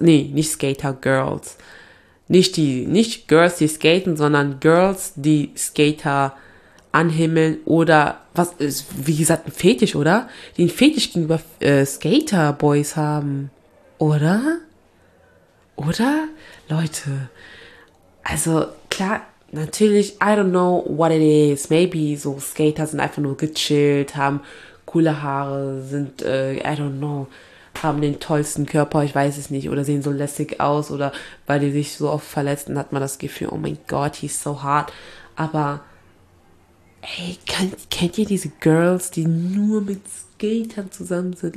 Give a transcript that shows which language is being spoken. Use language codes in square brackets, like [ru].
[de] Nee, nicht Skater Girls. Nicht Girls, die skaten, sondern Girls, die Skater anhimmeln oder was ist, wie gesagt, ein Fetisch, oder? Die einen Fetisch gegenüber Skaterboys haben, oder? Oder? Leute, also klar, natürlich, [en] I don't know what it is. [de] Maybe so Skater sind einfach nur gechillt, haben coole Haare, sind, [en] I don't know, [de] haben den tollsten Körper, ich weiß es nicht, oder sehen so lässig aus, oder weil die sich so oft verletzen, hat man das Gefühl, oh mein Gott, [en] he's so [de] hart. Aber ey, kennt ihr diese Girls, die nur mit Skatern zusammen sind?